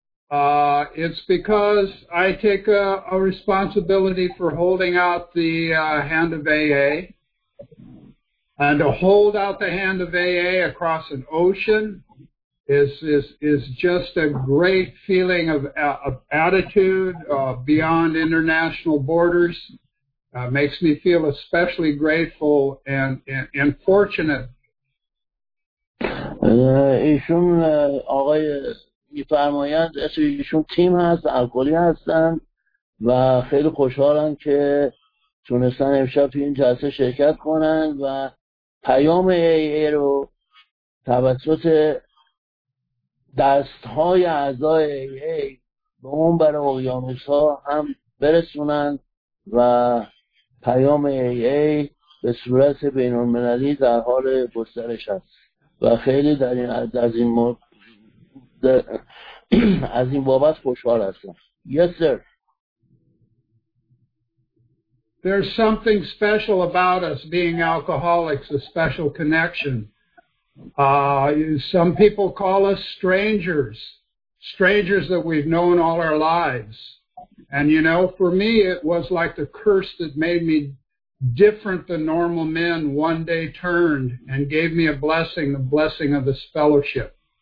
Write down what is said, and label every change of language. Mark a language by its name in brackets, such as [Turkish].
[English] It's because I take a responsibility for holding out the hand of AA, and to hold out the hand of AA across an ocean is just a great feeling of attitude beyond international borders. Makes me feel especially grateful and fortunate. [Persian] ایشون آقای میفرمایند ایشون تیم هست الکلی هستند و خیلی خوشحالند که تونستن امشب تو این جلسه شرکت کنند و پیام AA رو توسط دستهای اعضای AA به اون بر اقیانوس ها هم برسونند و پیام AA به صورت بین المللی در حال گسترش است و خیلی در این از این مورد از این بابت خوشحال هستم. [English] Yes sir. There's something special about us being alcoholics, a special connection. Some people call us strangers, strangers that we've known all our lives. And you know, for me, it was like the curse that made me different than normal men one day turned and gave me a blessing, the blessing of this fellowship.